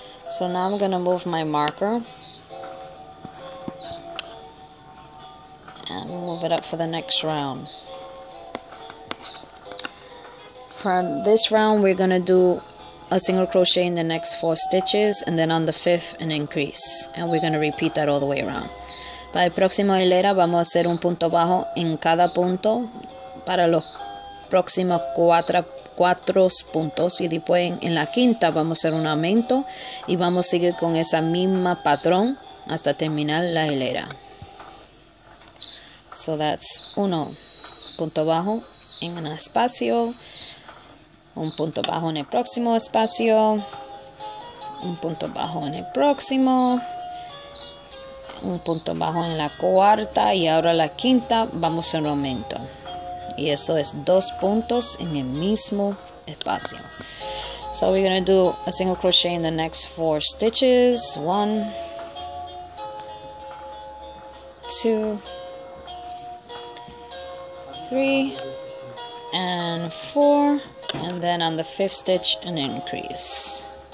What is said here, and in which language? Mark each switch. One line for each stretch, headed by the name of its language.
English: So now I'm gonna move my marker and move it up for the next round. For this round, we're gonna do a single crochet in the next 4 stitches, and then on the 5th an increase, and we're gonna repeat that all the way around.
Spanish: Para el próximo hilera vamos a hacer un punto bajo en cada punto para los próximos 4 puntos, y después en la quinta vamos a hacer un aumento y vamos a seguir con esa misma patrón hasta terminar la hilera.
English: So that's
Spanish: 1 punto bajo en un espacio, un punto bajo en el próximo espacio, un punto bajo en el próximo, un punto bajo en la cuarta, y ahora la quinta vamos a hacer un aumento. Y eso es 2 puntos en el mismo espacio.
English: So we're going to do a single crochet in the next 4 stitches. 1, 2, 3, and 4. And then on the 5th stitch, an increase.